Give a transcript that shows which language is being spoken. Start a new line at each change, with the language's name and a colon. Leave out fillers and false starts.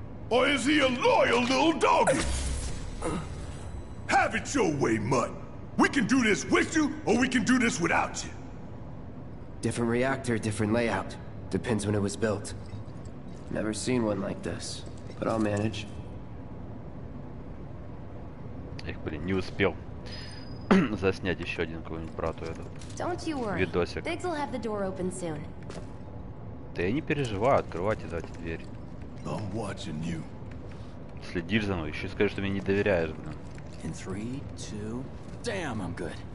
English: Or is he a loyal little doggy? Have it your way, Mutt. We can do this with you, or we can do this without you. Different reactor, different layout. Depends when it was built. Never seen one like this, but I'll manage.
Russian: Эх, блин, не успел. заснять еще один какой-нибудь брату эту видосик.
English: Бигз will have the door open soon.
Russian: Да я не переживаю, открывайте, давайте дверь.
English: I'm watching you.
Russian: Следишь за мной, еще скажи, что мне не доверяешь, блин.
English: In three, two, damn, I'm good.